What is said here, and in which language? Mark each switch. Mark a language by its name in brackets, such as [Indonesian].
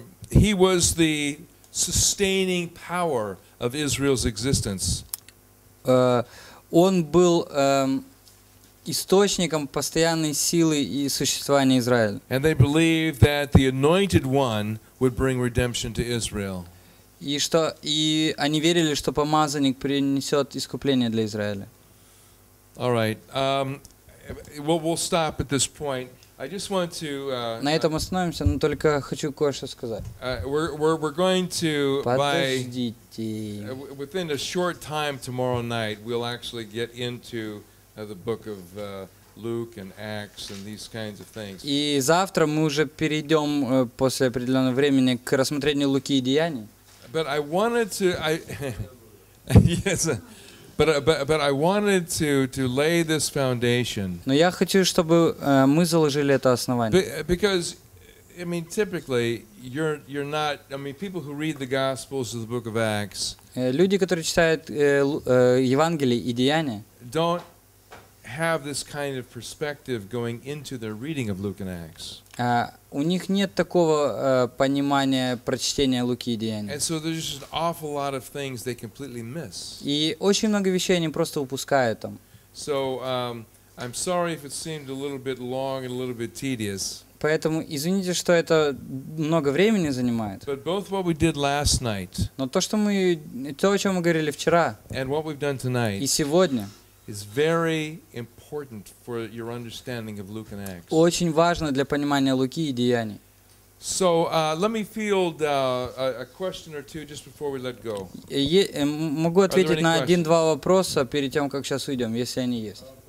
[English] He was the sustaining power of Israel's existence. [Russian] Он был источником постоянной силы и существования Израиля. [English] And they believed that the Anointed One would bring redemption to Israel. [Russian] И что, и они верили, что помазанник принесет искупление для Израиля. [English] All right. We'll stop at this point. I just want to. [Russian] На этом остановимся, но только хочу кое-что сказать. [English] We're going to. [Russian] Подождите. [English] Within a short time tomorrow night, we'll actually get into the book of Luke and Acts and these kinds of things. [Russian] И завтра мы уже перейдем после определенного времени к рассмотрению Луки и Деяний. [English] But I wanted to, yes, but I wanted to lay this foundation. [Russian] Но я хочу, чтобы мы заложили это основание. [English] Because, I mean, typically, you're not. I mean, people who read the Gospels or the Book of Acts. [Russian] Люди, которые читают Евангелие и Деяния. [English] Don't have this kind of perspective going into their reading of Luke and Acts. [Russian] У них нет такого понимания прочтения Луки и Деяний. [English] And so there's just an awful lot of things they completely miss. [Russian] И очень много вещей они просто упускают там. [English] So I'm sorry if it seemed a little bit long and a little bit tedious. [Russian] Поэтому извините, что это много времени занимает. [English] But both what we did last night. [Russian] Но то, что мы, то, о чем мы говорили вчера. [English] And what we've done tonight. [Russian] И сегодня. [English] Is very important for your understanding of Luke and Acts. [Russian] Очень важно для понимания Луки и Деяний. [English] So let me field a question or two just before we let go. [Russian] Могу ответить на один-два вопроса перед тем, как сейчас уйдем, если они есть.